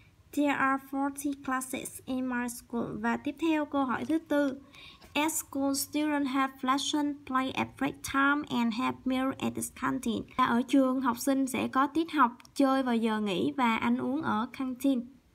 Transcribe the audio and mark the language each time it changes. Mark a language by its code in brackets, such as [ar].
[en] There are 40 classes in my school. [vi] Và tiếp theo, câu hỏi thứ tư. [en] At school, students have lesson play at break time and have meal at the canteen. [vi] Ở trường, học sinh sẽ có tiết học, chơi vào giờ nghỉ và ăn uống ở canteen.